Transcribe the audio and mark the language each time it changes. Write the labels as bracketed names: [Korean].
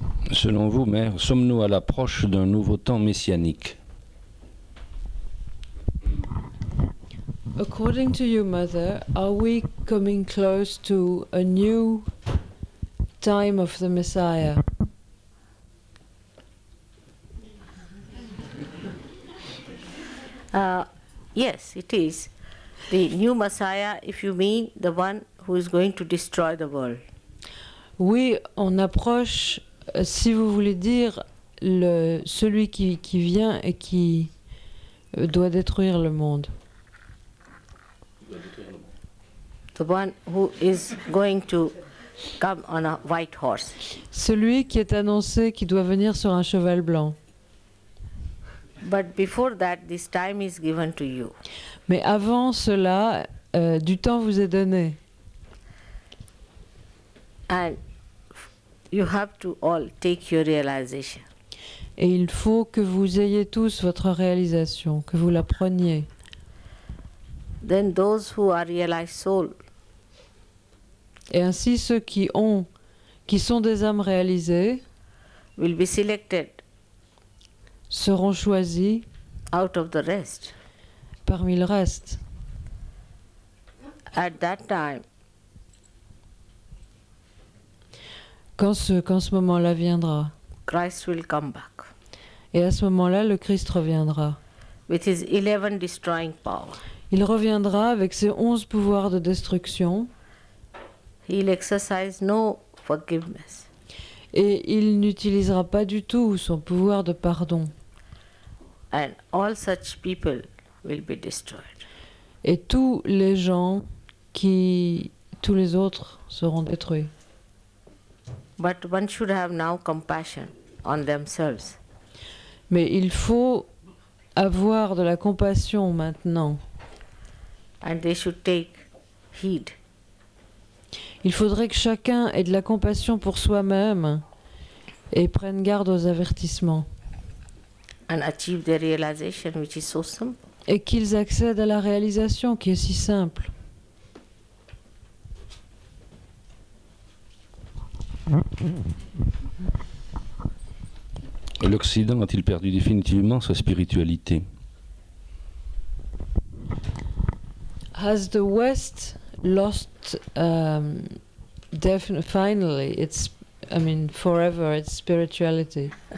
[French] Selon vous, Mère, sommes-nous à l'approche d'un nouveau temps messianique? [English] According to you, Mother, are we coming close to a new time of the Messiah? Yes, it is. The new Messiah, if you mean the one who is going to destroy the world. [French] Oui, on approche, si vous voulez dire, celui qui vient et qui doit détruire le monde. [English] The one who is going to come on a white horse. [French] Celui qui est annoncé qui doit venir sur un cheval blanc. [English] But before that, this time is given to you. [French] Mais avant cela, du temps vous est donné. [English] And you have to all take your realization. [French] Et il faut que vous ayez tous votre réalisation, que vous la preniez. [English] Then those who are realized soul. [French] Et ainsi ceux qui sont des âmes réalisées [English] will be selected [French] seront choisis [English] out of the rest. [French] Parmi le reste. [English] At that time, [French] quand ce moment-là viendra, [English] Christ will come back. [French] Et à ce moment-là, le Christ reviendra. [English] With his 11 destroying power. [French] Il reviendra avec ses 11 pouvoirs de destruction. [English] He'll exercise no forgiveness. [French] Et il n'utilisera pas du tout son pouvoir de pardon. [English] And all such people will be destroyed. [French] Et tous les gens qui tous les autres seront détruits. [English] But one should have now compassion on themselves. [French] Mais il faut avoir de la compassion maintenant. [English] And they should take heed. [French] Il faudrait que chacun ait de la compassion pour soi-même et prenne garde aux avertissements. [English] And achieve the realization which is so simple. [French] Et qu'ils accèdent à la réalisation qui est si simple. L'Occident a-t-il perdu définitivement sa spiritualité? [English] Has the West lost finally its, forever its spirituality?